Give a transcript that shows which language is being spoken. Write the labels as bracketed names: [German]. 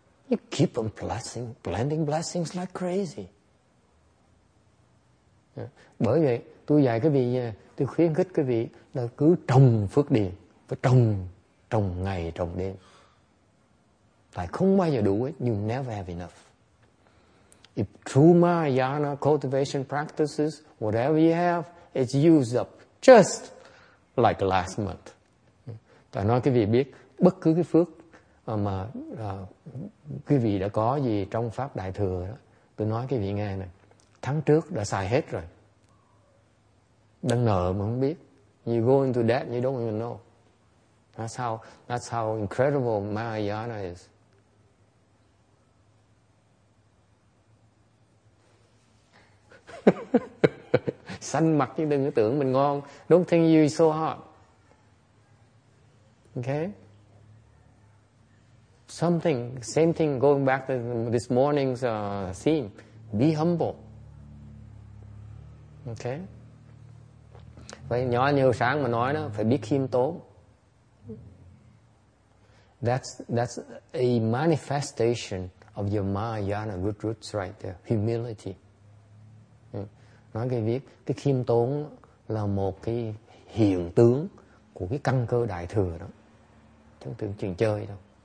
[English] You keep on blessing, blending blessings like crazy. [Vietnamese] Bởi vậy, tôi dạy quý vị, tôi khuyến khích quý vị là cứ trồng phước điền, phải trồng ngày, trồng đêm. Tại không bao giờ đủ hết, [English] you never have enough. If true Mahayana cultivation practices, whatever you have, it's used up just like last month. [Vietnamese] Tại nói quý vị biết, bất cứ cái phước mà quý vị đã có gì trong Pháp Đại Thừa đó, tôi nói quý vị nghe này, tháng trước đã xài hết rồi, đang nợ mà không biết. [English] You go into debt, you don't even know. That's how incredible Mahayana is. [Vietnamese] Xanh mặt chứ đừng có tưởng mình ngon. [English] Don't think you're so hot. Okay? Something, same thing going back to this morning's theme. Be humble. Okay? [Vietnamese] Vậy nhỏ nhiều sáng mà nói đó, phải biết khiêm tốn. [English] That's a manifestation of your Mahayana good roots right there. Humility. [Vietnamese] Nói cái viết, cái khiêm tốn là một cái hiện tướng của cái căn cơ đại thừa đó. Chẳng tưởng chuyện chơi đâu.